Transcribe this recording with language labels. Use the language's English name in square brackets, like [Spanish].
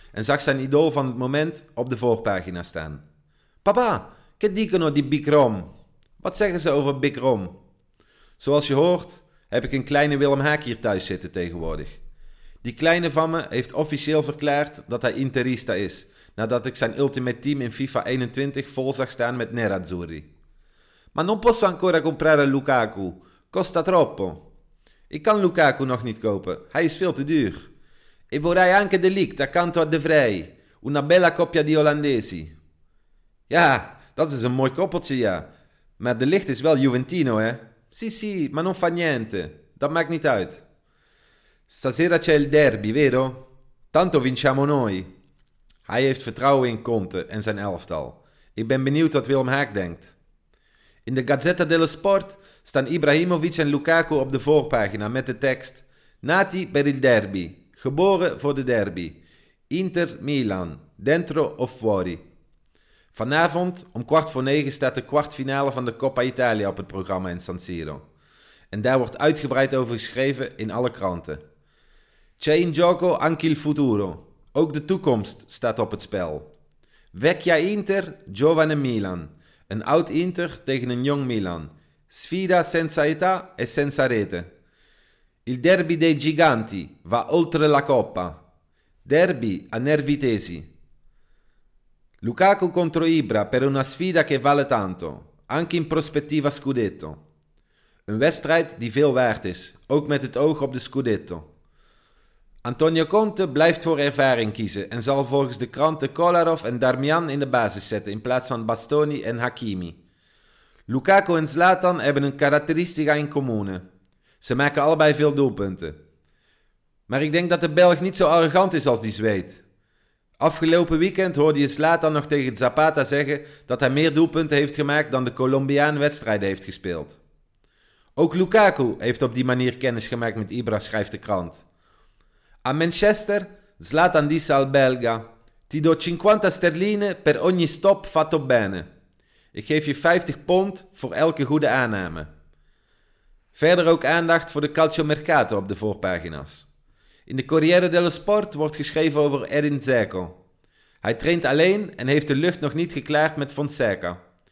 [Dutch] en zag zijn idool van het moment op de voorpagina staan. Papa, ken die nou die Bikram? Wat zeggen ze over Bikram? Zoals je hoort, heb ik een kleine Willem Haak hier thuis zitten tegenwoordig. Die kleine van me heeft officieel verklaard dat hij Interista is, nadat ik zijn ultimate team in FIFA 21 vol zag staan met Nerazzurri. [Italian] Ma non posso ancora comprare Lukaku, costa troppo. [Dutch] Ik kan Lukaku nog niet kopen, hij is veel te duur. [Italian] E vorrei anche de Ligt accanto a De Vrij, una bella coppia di Olandesi. [Dutch] Ja, dat is een mooi koppeltje, ja. Maar De Ligt is wel Juventino, hè? [Italian] Sì, sì, ma non fa niente. [Dutch] Dat maakt niet uit. [Italian] Stasera c'è il derby, vero? Tanto vinciamo noi. [Dutch] Hij heeft vertrouwen in Conte en zijn elftal. Ik ben benieuwd wat Willem Haak denkt. In de Gazzetta dello Sport staan Ibrahimovic en Lukaku op de voorpagina met de tekst [Italian] Nati per il derby, [Dutch] geboren voor de derby. Inter Milan, [Italian] dentro o fuori. [Dutch] Vanavond om 20:45 staat de kwartfinale van de Coppa Italia op het programma in San Siro. En daar wordt uitgebreid over geschreven in alle kranten. [Italian] C'è in gioco anche il futuro. [Dutch] Ook de toekomst staat op het spel. [Italian] Vecchia Inter, giovane Milan. [Dutch] Een oud Inter tegen een jong Milan. [Italian] Sfida senza età e senza rete. Il derby dei giganti va oltre la coppa. Derby a nervi tesi. Lukaku contro Ibra per una sfida che vale tanto, anche in prospettiva scudetto. [Dutch] Een wedstrijd die veel waard is, ook met het oog op de scudetto. Antonio Conte blijft voor ervaring kiezen en zal volgens de kranten Kolarov en Darmian in de basis zetten in plaats van Bastoni en Hakimi. Lukaku en Zlatan hebben een karakteristica [Italian] in comune. [Dutch] Ze maken allebei veel doelpunten. Maar ik denk dat de Belg niet zo arrogant is als die Zweed. Afgelopen weekend hoorde je Zlatan nog tegen Zapata zeggen dat hij meer doelpunten heeft gemaakt dan de Colombiaan wedstrijden heeft gespeeld. Ook Lukaku heeft op die manier kennis gemaakt met Ibra, schrijft de krant. [Italian] A Manchester, Zlatan disse al Belga, ti do 50 sterline per ogni stop fatto bene. [Dutch] Ik geef je 50 pond voor elke goede aanname. Verder ook aandacht voor de Calcio Mercato op de voorpagina's. In de Corriere dello Sport wordt geschreven over Edin Dzeko. Hij traint alleen en heeft de lucht nog niet geklaard met Fonseca.